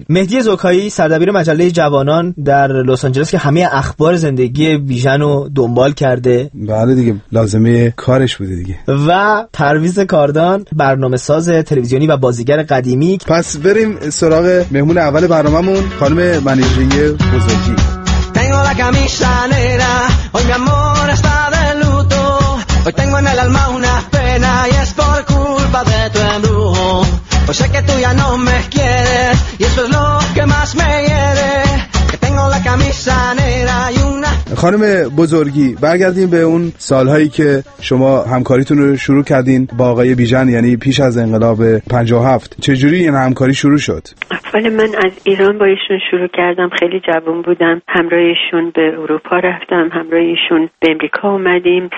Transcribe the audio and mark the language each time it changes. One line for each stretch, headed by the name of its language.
Persian: مهدی زوکایی، سردبیر مجله جوانان در لس آنجلس که همه اخبار زندگی بیژن رو دنبال کرده. بله دیگه، لازمه کارش بوده دیگه. و پرویز کاردان، برنامه ساز تلویزیونی و بازیگر قدیمی. پس بریم سراغ مهمون اول برنامه‌مون، خانم منیژه بزرگی.
Spanish: Tengo la camisa negra, hoy mi amor está de luto. Hoy tengo en el alma una pena y es por culpa de tu embrujo. Pues sé que tú ya no me quieres y eso es lo que más me hiere. Que tengo la camisa negra y una
Persian: خانم بزرگی، برگردیم به اون سالهایی که شما همکاریتون رو شروع کردین با آقای بیژن، یعنی پیش از انقلاب 57. چجوری این همکاری شروع شد؟ اول من از ایران با ایشون شروع کردم، خیلی جوان بودم، همراه ایشون به اروپا رفتم، همراه ایشون به امریکا اومدیم.